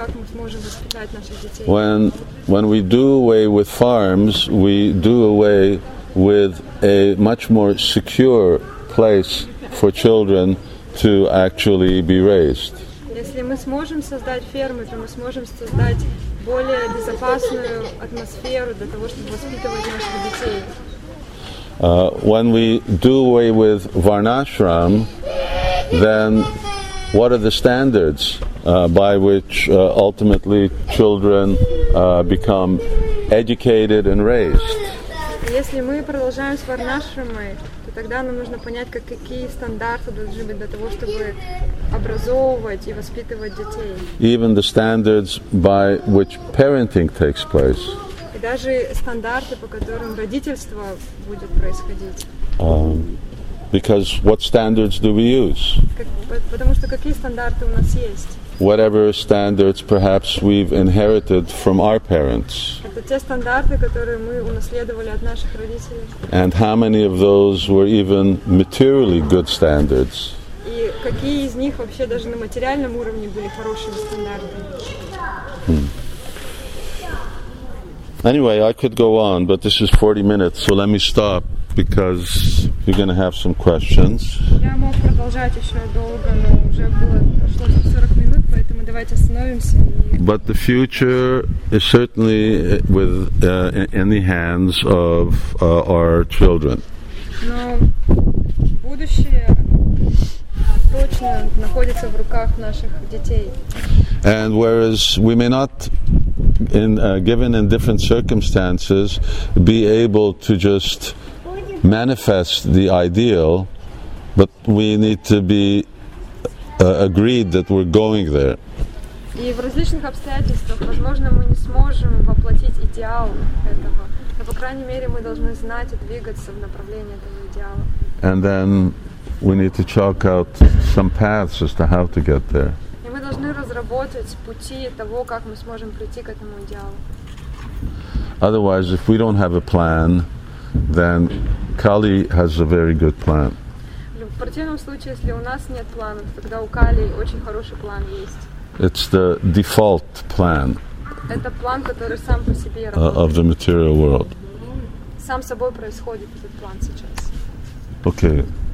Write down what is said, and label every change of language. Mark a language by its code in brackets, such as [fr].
[en] When we do away with farms, we do away with a much more secure place for children to actually be raised. [ru] Если мы сможем создать фермы, то мы сможем создать более безопасную атмосферу для того, чтобы воспитывать наших детей. [en] When we do away with varnashram, then what are the standards by which ultimately children become educated and raised? [ru] Если мы продолжаем с варнашрамой, то тогда нам нужно понять, какие стандарты должны быть для того, чтобы образовывать и воспитывать детей. [en] Even the standards by which parenting takes place. [ru] И даже стандарты, по которым родительство будет происходить. [en] Because what standards do we use? [ru] Потому что какие стандарты у нас есть? [en] Whatever standards perhaps we've inherited from our parents. [ru] Это те стандарты, которые мы унаследовали от наших родителей. [en] And how many of those were even materially good standards? [ru] И какие из них вообще даже на материальном уровне были хорошими стандартами? [en] Anyway, I could go on, but this is 40 minutes, so let me stop. because you're going to have some questions. [ru] Я мог продолжать ещё долго, но уже прошло 40 минут, поэтому давайте остановимся. [en] But the future is certainly with in the hands of our children. [ru] Но будущее точно находится в руках наших детей. [en] And whereas we may not in given in different circumstances be able to just manifest the ideal, but we need to be agreed that we're going there. [ru] И в различных обстоятельствах, возможно, мы не сможем воплотить идеал этого, но по крайней мере мы должны знать и двигаться в направлении этого идеала. [en] And then we need to chalk out some paths as to how to get there. [ru] И мы должны разработать пути того, как мы сможем прийти к этому идеалу. [en] Otherwise, if we don't have a plan, then Kali has a very good plan. [ru] В противном случае, если у нас нет плана, тогда у Кали очень хороший план есть. [en] It's the default plan. [ru] Это план, который сам по себе работает. [en] Of the material world. [ru] Сам собой происходит этот план сейчас. [en] Okay.